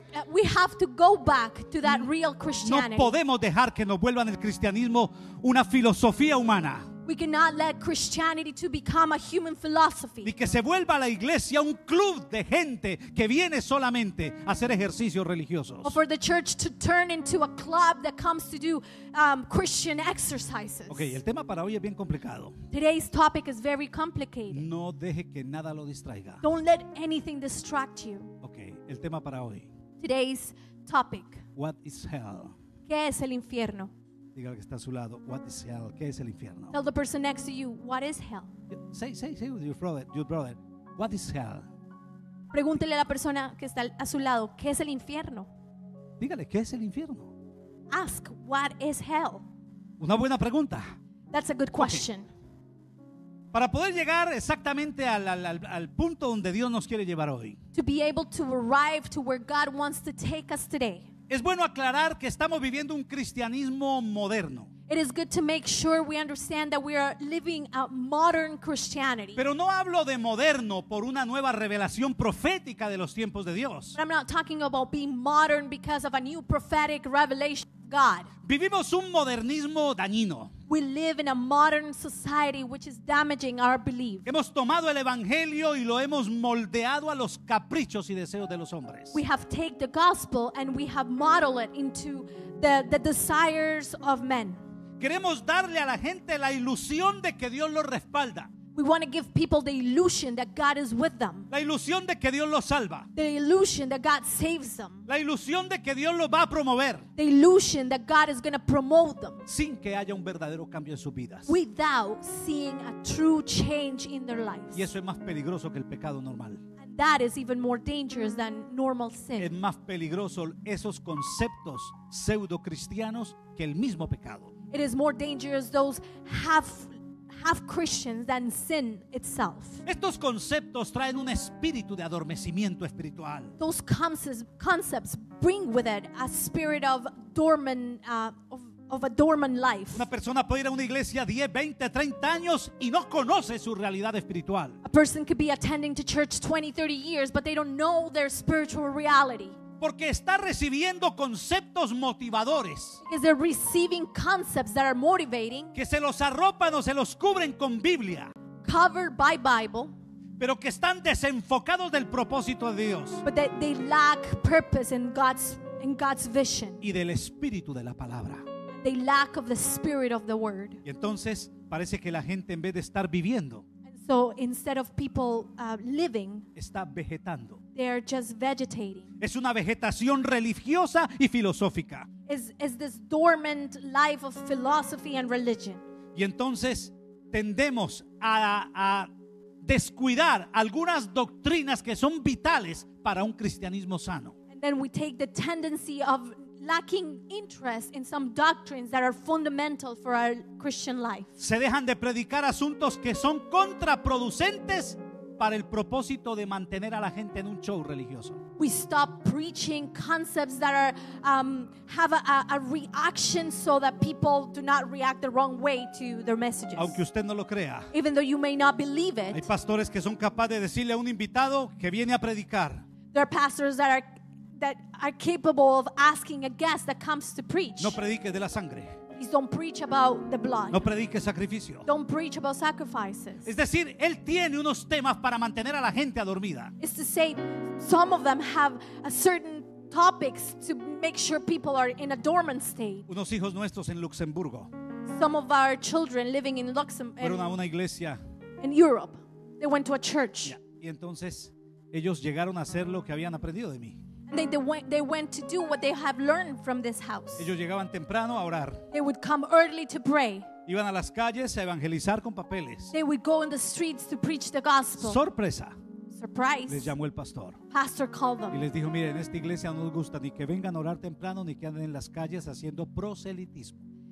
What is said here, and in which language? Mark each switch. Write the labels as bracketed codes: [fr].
[en] We have to go back to that real Christianity. [es] No podemos dejar que nos vuelvan el cristianismo una filosofía humana. [en] We cannot let Christianity to become a human philosophy. [es] Ni que se vuelva a la iglesia un club de gente que viene solamente a hacer ejercicios religiosos. [en] Or for the church to turn into a club that comes to do Christian exercises. [es] Okay, el tema para hoy es bien complicado. [en] Today's topic is very complicated. [es] No deje que nada lo distraiga. [en] Don't let anything distract you. [es] Okay, el tema para hoy. [en] Today's topic. What is hell? [es] ¿Qué es el infierno? Diga al que está a su lado, [en] what is hell? [es] ¿Qué es el infierno? [en] Tell the person next to you, what is hell? Say with your brother, what is hell? [es] Pregúntele a la persona que está a su lado, ¿qué es el infierno? Dígale, ¿qué es el infierno? [en] Ask, what is hell? [es] Una buena pregunta. [en] That's a good question. [es] Para poder llegar exactamente al punto donde Dios nos quiere llevar hoy. [en] To be able to arrive to where God wants to take us today. [es] Es bueno aclarar que estamos viviendo un cristianismo moderno. [en] It is good to make sure we understand that we are living a modern Christianity. [es] Pero no hablo de moderno por una nueva revelación profética de los tiempos de Dios. [en] But I'm not talking about being modern because of a new prophetic revelation of God. [es] Vivimos un modernismo dañino. [en] We live in a modern society which is damaging our belief. [es] Hemos tomado el evangelio y lo hemos moldeado a los caprichos y deseos de los hombres. [en] We have taken the gospel and we have modeled it into the desires of men. [es] Queremos darle a la gente la ilusión de que Dios los respalda. [en] We want to give people the illusion that God is with them. [es] La ilusión de que Dios los salva. [en] The illusion that God saves them. [es] La ilusión de que Dios los va a promover. [en] The illusion that God is going to promote them. [es] Sin que haya un verdadero cambio en sus vidas. [en] Without seeing a true change in their lives. [es] Y eso es más peligroso que el pecado normal. [en] And that is even more dangerous than normal sin. [es] Es más peligroso esos conceptos pseudo cristianos que el mismo pecado. [en] It is more dangerous those half Christians than sin itself. [es] Estos conceptos traen un espíritu de adormecimiento espiritual. [en] Those concepts bring with it a spirit of a dormant life. [es] Una persona puede ir a una iglesia 10, 20, 30 años y no conoce su realidad espiritual. [en] A person could be attending to church 20, 30 years but they don't know their spiritual reality. [es] Porque está recibiendo conceptos motivadores. [en] Because they're receiving concepts that are motivating. [es] Que se los arropan o se los cubren con Biblia. [en] Covered by Bible. [es] Pero que están desenfocados del propósito de Dios. [en] But they lack purpose in God's vision. [es] Y del espíritu de la palabra. [en] They lack of the spirit of the word. [es] Y entonces parece que la gente en vez de estar viviendo. [en] And so instead of people living. [es] Está vegetando. [en] They are just vegetating. [es] Es una vegetación religiosa y filosófica. [en] Is this dormant life of philosophy and religion. [es] Y entonces tendemos a descuidar algunas doctrinas que son vitales para un cristianismo sano. [en] And then we take the tendency of lacking interest in some doctrines that are fundamental for our Christian life. [es] Se dejan de predicar asuntos que son contraproducentes para el propósito de mantener a la gente en un show religioso. [en] We stop preaching concepts that are have a reaction so that people do not react the wrong way to their messages. [es] Aunque usted no lo crea. [en] Even though you may not believe it. [es] Hay pastores que son capaces de decirle a un invitado que viene a predicar. [en] There are pastors that are capable of asking a guest that comes to preach. [es] No predique de la sangre. [en] Don't preach about the blood. [es] No predique sacrificio. [en] Don't preach about sacrifices. [es] Es decir, él tiene unos temas para mantener a la gente adormida. [en] It's to say, some of them have a certain topics to make sure people are in a dormant state. [es] Unos hijos nuestros en Luxemburgo. [en] Some of our children living in Luxembourg. [es] Fueron a una iglesia. [en] In Europe, they went to a church. [es] Yeah. Y entonces ellos llegaron a hacer lo que habían aprendido de mí. [en] They went to do what they have learned from this house. [es] Ellos llegaban temprano a orar. [en] They would come early to pray. [es] Iban a las calles a evangelizar con papeles. [en] They would go in the streets to preach the gospel. [es] Sorpresa. [en] Surprise. [es] Les llamó el pastor. [en] Pastor called them. [es] Y les dijo, miren, en esta iglesia no nos gusta ni que vengan a orar temprano ni que anden en las calles haciendo proselitismo.